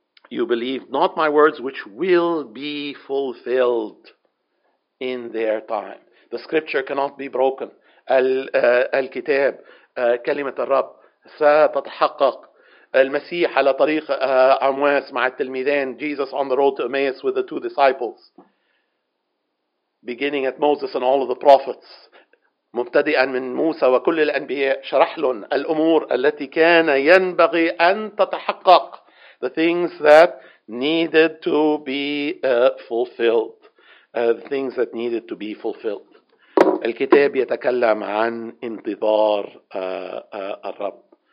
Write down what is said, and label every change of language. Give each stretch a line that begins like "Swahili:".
English: You believe not my words which will be fulfilled in their time. The scripture cannot be broken.
Arabic: الكتاب كلمة الرب ستتحقق. المسيح على طريق أمواس مع التلميذين.
English: Jesus on the road to Emmaus with the two disciples. Beginning at Moses and all of the prophets.
Arabic: مبتدئا من موسى وكل الأنبياء. شرح لهم الأمور التي كان ينبغي أن تتحقق.
English: The things that needed to be fulfilled. The things that needed to be fulfilled.
Arabic: الكتاب يتكلم عن انتظار الرب.